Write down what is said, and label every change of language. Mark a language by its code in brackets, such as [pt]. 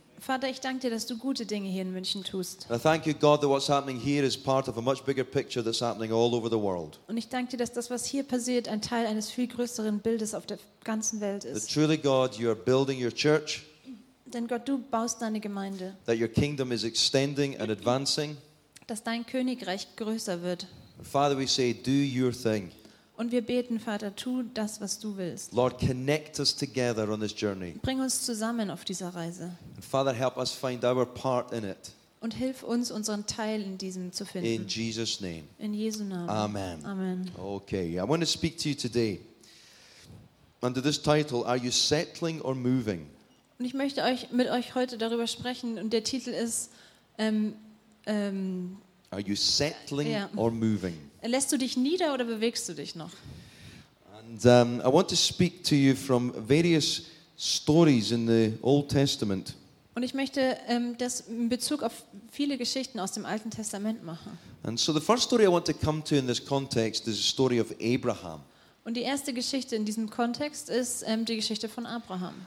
[de] Vater, ich danke dir, dass du gute Dinge hier in München tust. [en] I thank you, God, that what's happening here is part of a much bigger picture that's happening all over the world. [de] Und ich danke dir, dass das, was hier passiert, ein Teil eines viel größeren Bildes auf der ganzen Welt ist. [en] That truly, God, you are building your church. [de] Denn Gott, du baust deine Gemeinde. [en] That your kingdom is extending and advancing. [de] Dass dein Königreich größer wird. [en] Father, we say, do your thing. [de] Und wir beten, Vater, tu das, was du willst. [en] Lord, connect us together on this journey. [de] Bring uns zusammen auf dieser Reise. [en] And Father, help us find our part in it. [de] Und hilf uns, unseren Teil in diesem zu finden. [en] In Jesus' name. [de] In Jesu Namen. Amen. Amen. [en] Okay, I want to speak to you today under this title, Are You Settling or Moving? [de] Und ich möchte euch mit euch heute darüber sprechen, und der Titel ist [en] Are you settling or moving? [de] Lässt du dich nieder oder bewegst du dich noch? [en] And I want to speak to you from various stories in the Old Testament. [de] Und ich möchte das in Bezug auf viele Geschichten aus dem Alten Testament machen. [en] And so the first story I want to come to in this context is the story of Abraham. [de] Und die erste Geschichte in diesem Kontext ist die Geschichte von Abraham.